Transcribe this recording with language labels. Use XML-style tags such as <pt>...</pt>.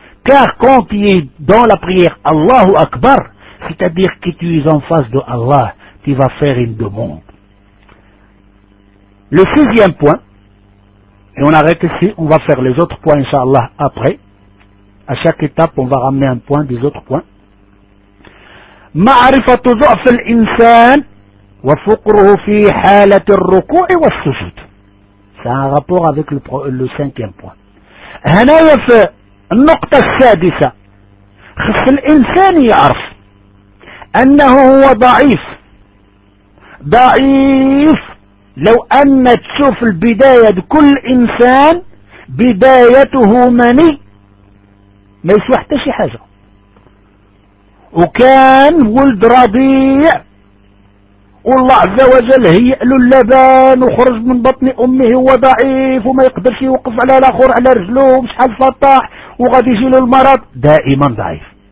<fr>Car quand tu es dans la prière Allahu Akbar, c'est-à-dire que tu es en face de Allah, tu vas faire une demande. Le sixième point, et on arrête ici, on va faire les autres points, Inch'Allah, après. À chaque étape, on va ramener un point des autres points.</fr> <ar>Ma'rifatu dhu'f al-insan وفقره في حالة الركوع والسجود.</ar> <fr>C'est un rapport avec le cinquième point.</fr> <ar>هنا في النقطة السادسة خص الإنسان يعرف أنه هو ضعيف. ضعيف لو أن تشوف البداية بكل إنسان بدايته مني ما يسوى حتى شي حاجة، وكان ولد رضيع والله عز وجل هيئ له اللبان وخرج من بطن امه هو ضعيف وما يقدرش يوقف على الاخر على رجله وشحال فطاح وغادي يجي له المرض، دائما ضعيف.</ar>